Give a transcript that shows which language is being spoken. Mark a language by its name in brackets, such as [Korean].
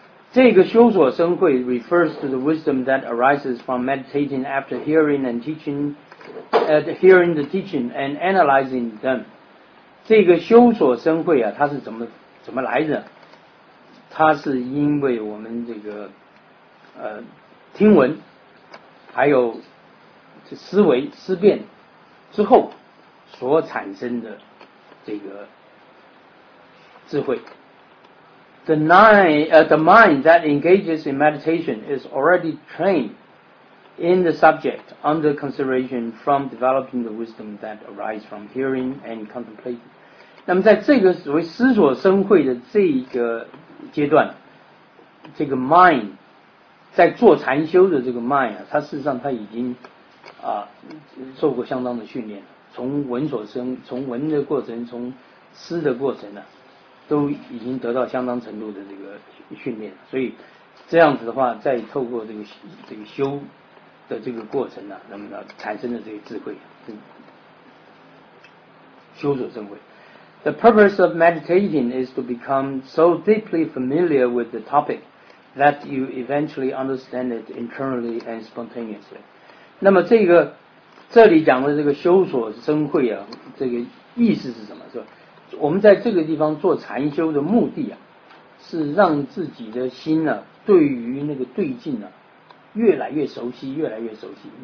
[Chinese] 这个修所生慧 [English] refers to the wisdom that arises from meditating after hearing and teaching hearing the teaching and analyzing them。 [Chinese] 这个修所生慧啊，它是怎么来的？它是因为我们这个听闻还有思维思辨之后所产生的这个智慧。 [English] The mind that engages in meditation is already trained in the subject under consideration from developing the wisdom that arises from hearing and contemplating。 [Chinese] 那么在这个所谓思索生慧的这个阶段，这个 mind 在做禅修的这个 mind 啊，它事实上它已经啊受过相当的训练，从闻所生，从闻的过程，从思的过程呢、啊，都已经得到相当程度的这个训练。所以这样子的话，再透过这个修的这个过程呢、啊，那么呢产生的这个智慧，修所生慧。 [English] The purpose of meditating is to become so deeply familiar with the topic that you eventually understand it internally and spontaneously。 [Chinese] 那么这里讲的这个修所生慧啊，这个意思是什么？是吧？我们在这个地方做禅修的目的啊，是让自己的心呢、啊，对于那个对境呢、啊，越来越熟悉，越来越熟悉。